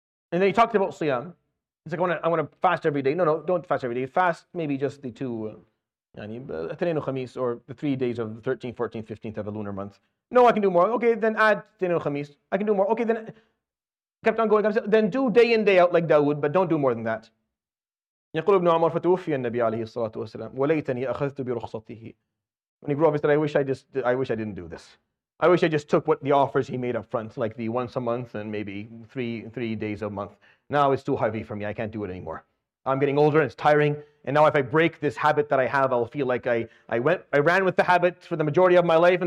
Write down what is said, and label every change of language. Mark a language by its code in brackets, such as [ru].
[en] And then he talked about Siyam. He's like, I want to fast every day. No, don't fast every day. Fast maybe just the two, Tenenu Khamis, or the 3 days of the 13th, 14th, 15th of the lunar month. No, I can do more. Okay, then add Tenenu Khamis. I can do more. Okay, then kept on going. Then do day in, day out like Dawood, but don't do more than that. [ar] يقول ابن عمر فتوفي النبي عليه الصلاة والسلام وليتني أخذت برخصته. [en] When he grew up, he said, I wish I didn't do this. I wish I just took what the offers he made up front, like the once a month and maybe three days a month. Now it's too heavy for me. I can't do it anymore. I'm getting older and it's tiring. And now if I break this habit that I have, I'll feel like I ran with the habit for the majority of my life.